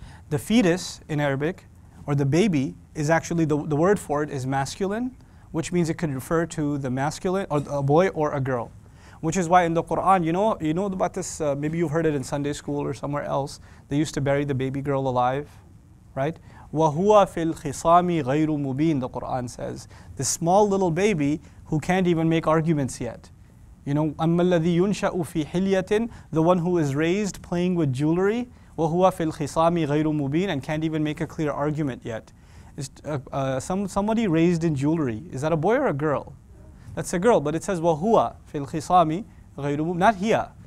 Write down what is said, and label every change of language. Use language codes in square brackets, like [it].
[en] The fetus in Arabic, or the baby, is actually, the word for it is masculine, which means it could refer to the masculine, or a boy or a girl. Which is why in the Quran, you know about this, maybe you've heard it in Sunday school or somewhere else, they used to bury the baby girl alive, right? [ar] وَهُوَ فِي الْخِصَامِ غَيْرُ مُبِينَ, [en] the Quran says. This small little baby who can't even make arguments yet. You know, [ar] أَمَّا الَّذِي يُنْشَأُ فِي حِلْيَةٍ, [en] the one who is raised playing with jewelry, [ar] وَهُوَ فِي الْخِصَامِ غَيْرُ مُبِينَ, [en] and can't even make a clear argument yet. Somebody raised in jewelry, is that a boy or a girl? That's a girl, but it says [ar] وَهُوَ فِي الْخِصَامِ غَيْرُ مُبِينَ, [en] not هِيَ.